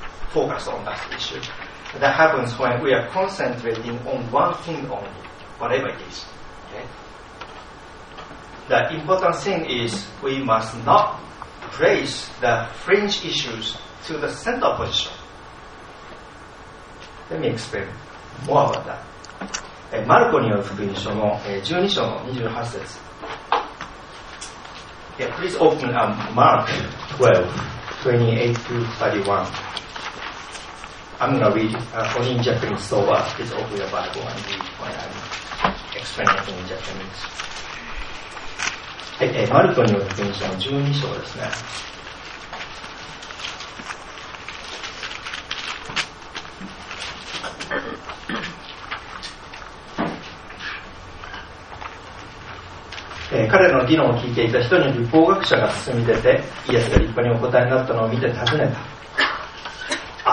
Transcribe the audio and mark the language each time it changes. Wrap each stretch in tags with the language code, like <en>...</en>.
<en>Focus on that issue. That happens when we are concentrating on one thing only, whatever it is. Okay? The important thing is we must not place the fringe issues to the center position. Let me explain more about that.</en> <ja>マルコによる福音書の12章の28節。</ja> <en>Yeah, please open up Mark 12:28-31. I'm going to read only in Japanese, so please open your Bible and read when I'm explaining in Japanese.</en> <ja>マルコによる福音書の12章ですね。彼の議論を聞いていた人に律法学者が進み出て、イエスが立派にお答えになったのを見て尋ねた。</ja>